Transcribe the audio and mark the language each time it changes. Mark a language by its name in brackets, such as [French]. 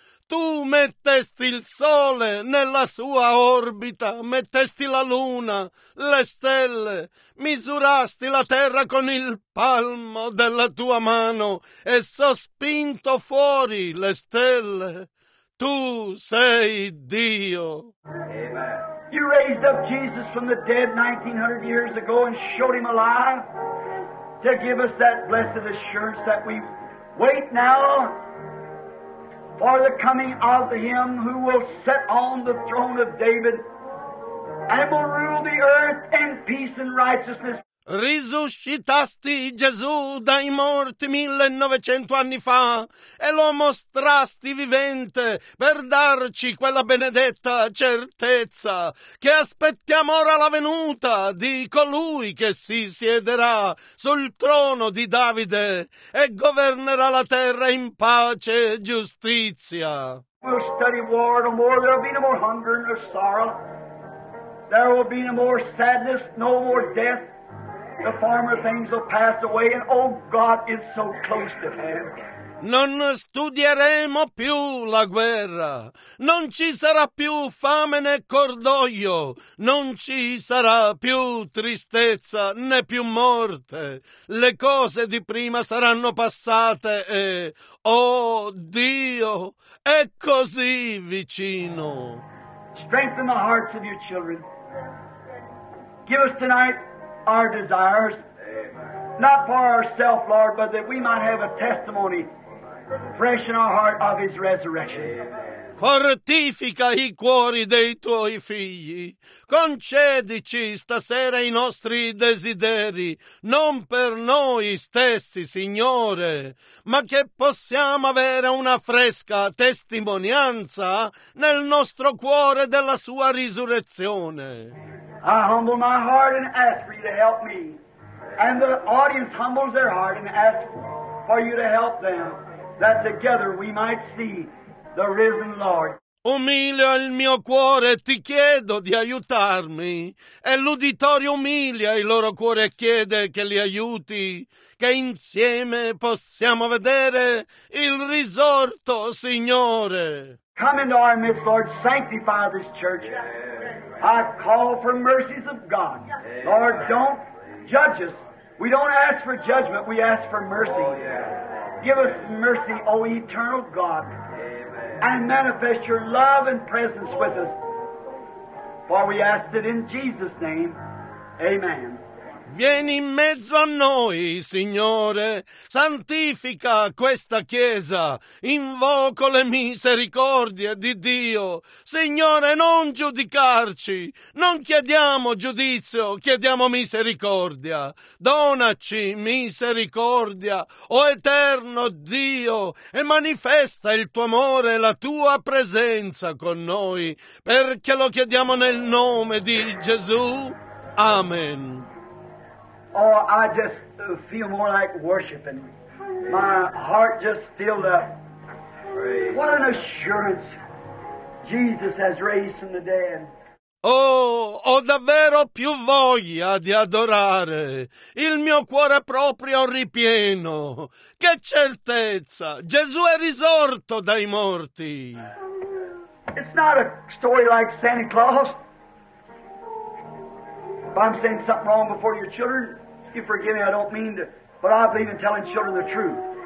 [Italian] Tu mettesti il sole nella sua orbita, mettesti la luna, le stelle, misurasti la terra con il palmo della tua mano e sospinto fuori le stelle. Tu sei Dio. Amen. [English] You raised up Jesus from the dead 1900 years ago and showed him alive to give us that blessed assurance that we wait now for the coming of him who will sit on the throne of David and will rule the earth in peace and righteousness. [Italian] Risuscitasti Gesù dai morti 1900 anni fa e lo mostrasti vivente per darci quella benedetta certezza che aspettiamo ora la venuta di colui che si siederà sul trono di Davide e governerà la terra in pace e giustizia. [English] We'll study war no more. There'll be no more hunger nor sorrow. There will be no more sadness, no more death. The former things will pass away, and oh God, it's so close to hand. [Italian] Non studieremo più la guerra, non ci sarà più fame né cordoglio, non ci sarà più tristezza né più morte. Le cose di prima saranno passate e, oh Dio, è così vicino. [English] Strengthen the hearts of your children. Give us tonight our desires, not for ourselves, Lord, but that we might have a testimony fresh in our heart of his resurrection. [Italian] Fortifica i cuori dei tuoi figli, concedici stasera i nostri desideri, non per noi stessi, Signore, ma che possiamo avere una fresca testimonianza nel nostro cuore della sua risurrezione. [English] I humble my heart and ask for you to help me, and the audience humbles their heart and asks for you to help them, that together we might see the risen Lord. [Italian] Umilio il mio cuore, ti chiedo di aiutarmi. E l'uditorio umilia il loro cuore e chiede che li aiuti, che insieme possiamo vedere il risorto, Signore. [English] Come into our midst, Lord, sanctify this church. I call for mercies of God. Lord, don't judge us. We don't ask for judgment, we ask for mercy. Give us mercy, O eternal God. And manifest your love and presence with us. For we ask it in Jesus' name. Amen. [Italian] Vieni in mezzo a noi, Signore, santifica questa Chiesa, invoco le misericordie di Dio. Signore, non giudicarci, non chiediamo giudizio, chiediamo misericordia. Donaci misericordia, o eterno Dio, e manifesta il tuo amore e la tua presenza con noi, perché lo chiediamo nel nome di Gesù. Amen. [English] Oh, I just feel more like worshiping. My heart just filled up. What an assurance Jesus has raised from the dead. [Italian] Oh, ho davvero più voglia di adorare. Il mio cuore proprio ripieno. Che certezza! Gesù è risorto dai morti. [English] It's not a story like Santa Claus. If I'm saying something wrong before your children, you forgive me, I don't mean to, but I believe in telling children the truth.